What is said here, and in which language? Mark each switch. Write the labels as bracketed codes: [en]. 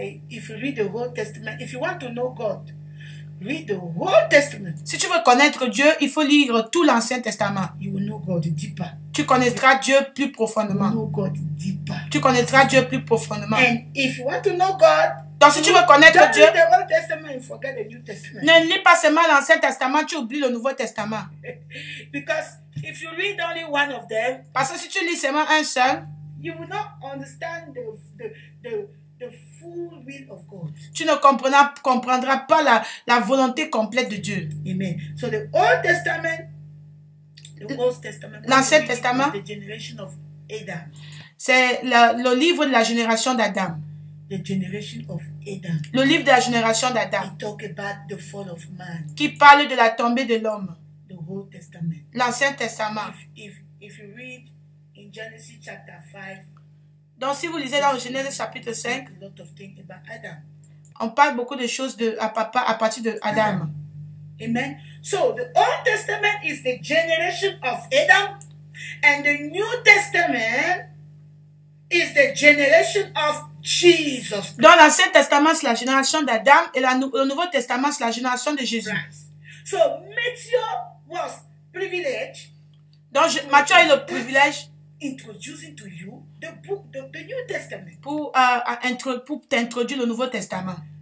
[en] If you read the Old Testament, if you want to know God, read the Old Testament. [fr] Si tu veux connaître Dieu, il faut lire tout l'Ancien Testament. [en] You will know God deeper. [fr] Tu connaîtras Dieu plus profondément. [en] You know God deeper. [fr] Tu connaîtras Dieu plus profondément. [en] And if you want to know God, [fr] donc si tu veux connaître Dieu, [en] don't read the Old Testament and forget the New Testament. [fr] Ne lis pas seulement l'Ancien Testament, tu oublies le Nouveau Testament. [en] Because if you read only one of them, [fr] parce que si tu lis seulement un seul, [en] you will not understand the full will of God. [fr] Tu ne comprendras pas la volonté complète de Dieu. [en] Amen. So the Old Testament. The [fr] L'Ancien Testament, [en] the generation of Adam. [fr] C'est le livre de la génération d'Adam. [en] The generation of Adam. [fr] Le livre de la génération d'Adam. [en] It talk about the fall of man. [fr] Qui parle de la tombée de l'homme. [en] The Old Testament. [fr] L'Ancien Testament. [en] If you read in Genesis chapter 5, [fr] donc si vous lisez dans Genèse chapitre 5, [en] a lot of things about Adam. [fr] On parle beaucoup de choses à partir de Adam. [en] Amen. So the Old Testament is the generation of Adam and the New Testament is the generation of Jesus Christ. [fr] Donc l'Ancien Testament c'est la génération d'Adam et le Nouveau Testament c'est la génération de Jésus. Christ. [en] So Matthew was privileged. [fr] Donc Matthieu a eu le privilège [en] introducing to you the book the New Testament. [fr] Pour t'introduire le Nouveau Testament.